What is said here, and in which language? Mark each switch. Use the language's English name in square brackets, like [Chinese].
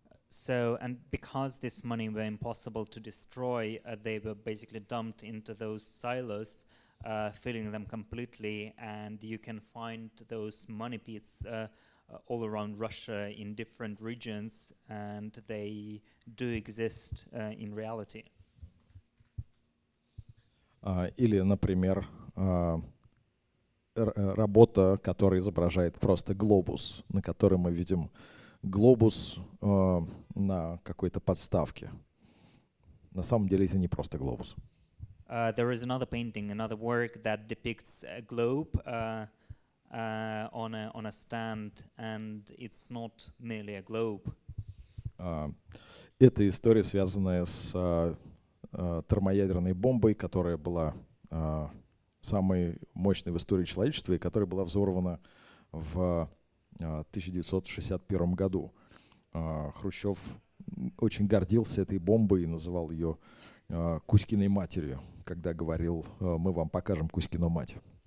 [English] So, and because this money were impossible to destroy, they were basically dumped into those silos, filling them completely, and you can find those money pits all around Russia in different regions, and they do exist in reality. [Russian] Или, например, работа, которая изображает просто глобус, на котором мы видим глобус на какой-то подставке. На самом деле это не просто глобус. [English] There is another painting, another work that depicts a globe on a stand, and it's not merely a globe. [Russian] Это история, связанная с термоядерной бомбой, которая была самой мощной в истории человечества и которая была взорвана в 1961 году. Хрущев очень гордился этой бомбой и называл ее Кузькиной матерью, когда говорил: «Мы вам покажем Кузькину мать».